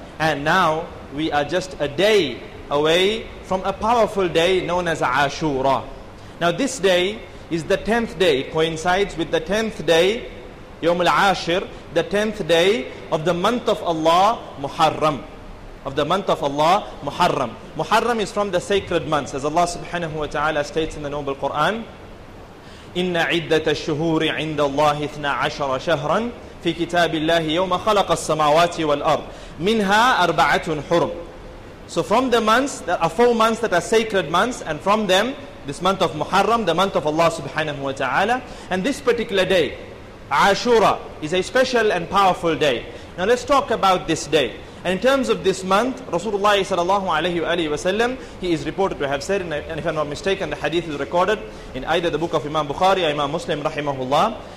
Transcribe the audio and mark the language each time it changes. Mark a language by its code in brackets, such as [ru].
[en] And now we are just a day away from a powerful day known as Ashura. Now this day is the 10th day. It coincides with the 10th day, Yawm al-Ashir, the 10th day of the month of Allah, Muharram. Of the month of Allah, Muharram. Muharram is from the sacred months. As Allah subhanahu wa ta'ala states in the Noble Quran, [ar] إِنَّ عِدَّةَ الشُّهُورِ عِنْدَ اللَّهِ 12 شَهْرًا فِي كِتَابِ اللَّهِ يَوْمَ خَلَقَ السَّمَاوَاتِ وَالْأَرْضِ مِنْهَا أَرْبَعَةٌ حُرُمٌ. [en] So from the months, there are 4 months that are sacred months, and from them, this month of Muharram, the month of Allah subhanahu wa ta'ala. And this particular day, Ashura, is a special and powerful day. Now let's talk about this day. And in terms of this month, Rasulullah sallallahu alayhi wa sallam, he is reported to have said, and if I'm not mistaken, the hadith is recorded in either the book of Imam Bukhari or Imam Muslim rahimahullah.